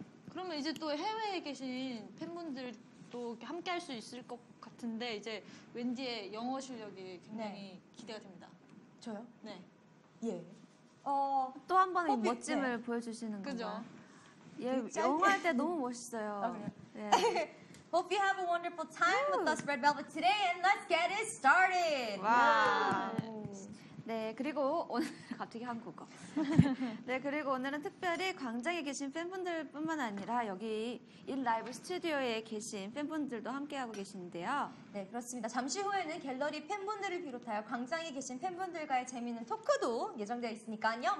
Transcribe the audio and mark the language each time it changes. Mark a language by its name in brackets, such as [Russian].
[Korean] 그러면 이제 또 해외에 계신 팬분들도 함께 할 수 있을 것 같은데 이제 웬디의 영어 실력이 굉장히 네. 기대가 됩니다. 저요? 네. 예. 또 한 번의 멋짐을 네. 보여주시는 거죠. 그죠. 예, 영어할 때 너무 멋있어요. 예. [English] Hope you have a wonderful time with us, Red Velvet, today and let's get it started! 와. [Korean] 네, 그리고 오늘 갑자기 한국어. 네, 그리고 오늘은 특별히 광장에 계신 팬분들뿐만 아니라 여기 인 라이브 스튜디오에 계신 팬분들도 함께하고 계신데요. 네, 그렇습니다. 잠시 후에는 갤러리 팬분들을 비롯하여 광장에 계신 팬분들과의 재미있는 토크도 예정되어 있으니까요.